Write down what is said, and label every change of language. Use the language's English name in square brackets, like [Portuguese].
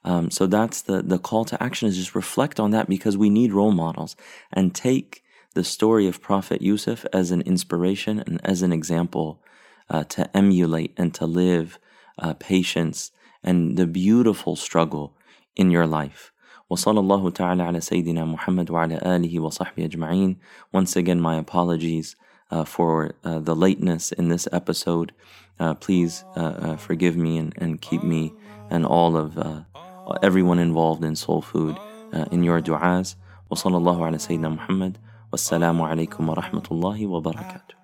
[English] So that's the call to action, is just reflect on that, because we need role models. And take the story of Prophet Yusuf as an inspiration and as an example to emulate and to live patience and the beautiful struggle in your life. [Arabic] وصلى الله تعالى على سيدنا محمد وعلى آله وصحبه أجمعين. [English] Once again, my apologies for the lateness in this episode. Please forgive me and keep me and all of everyone involved in Soul Food in your du'as. [Arabic] وصلى الله على سيدنا محمد والسلام عليكم ورحمة الله وبركاته.